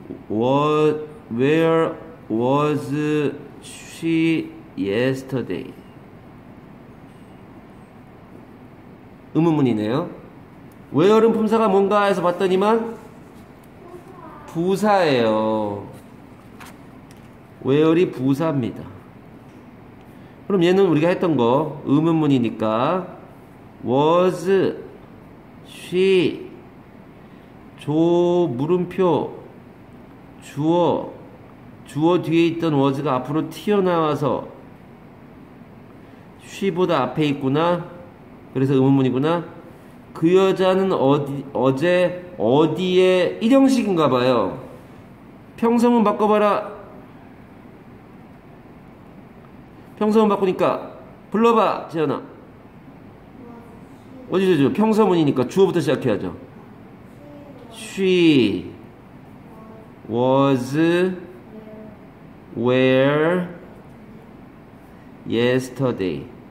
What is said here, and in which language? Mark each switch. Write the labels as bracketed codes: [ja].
[en] Where was she yesterday? [ko] 의문문이네요. Where은 품사가 뭔가 해서 봤더니만 부사예요. Where이 부사입니다. 그럼 얘는 우리가 했던 거 의문문이니까 [en] was she [ko] 조 물음표 주어 뒤에 있던 was가 앞으로 튀어나와서 she보다 앞에 있구나. 그래서 의문문이구나. 그 여자는 어제 어디에 일형식인가봐요. 평소문 바꿔봐라. 평소문 바꾸니까 불러봐 재현아. 어디죠? 평소문이니까 주어부터 시작해야죠. [en] She was where yesterday.